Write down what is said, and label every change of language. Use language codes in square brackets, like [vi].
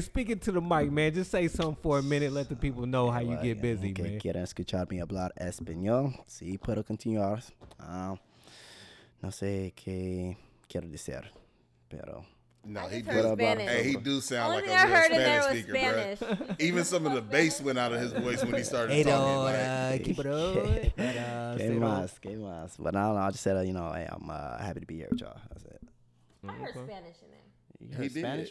[en] speaking to the mic, man, just say something for a minute. Let the people know how you get busy, man. [es] Quieren escucharme hablar español. Sí, puedo continuar. No sé qué quiero decir, pero... [en] No, he do. Hey, he do sound like a real Spanish speaker, bro. Even some of the bass went out of his voice when he started talking. Hey, like, keep it up. [es] Qué más. [en] But no, I just said, hey, I'm happy to be here with y'all. That's it. I heard Spanish in there. He heard Spanish?